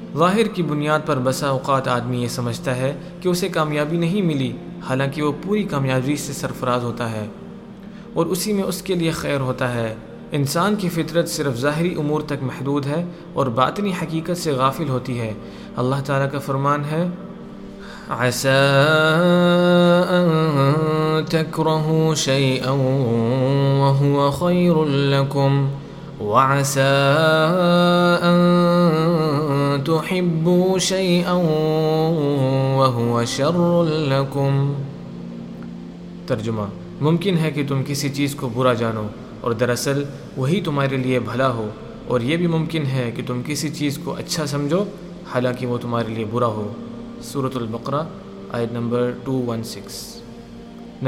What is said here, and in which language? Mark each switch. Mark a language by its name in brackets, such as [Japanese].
[Urdu] ظاہر کی بنیاد پر بسا اوقات آدمی یہ سمجھتا ہے کہ اسے کامیابی نہیں ملی, حالانکہ وہ پوری کامیابی سے سرفراز ہوتا ہے اور اسی میں اس کے لیے خیر ہوتا ہے. انسان کی فطرت صرف ظاہری امور تک محدود ہے اور باطنی حقیقت سے غافل ہوتی ہے. اللہ تعالیٰ کا فرمان ہے [Arabic] عسى أن تكرهوا شيئا وهو خير لكم وعسى أن تحبوا شيئا وهو شر لكم. [Urdu] ترجمہ: ممکن ہے کہ تم کسی چیز کو برا جانو اور دراصل وہی تمہارے لیے بھلا ہو, اور یہ بھی ممکن ہے کہ تم کسی چیز کو اچھا سمجھو حالانکہ وہ تمہارے لیے برا ہو. سورۃ البقرہ آیت نمبر 216.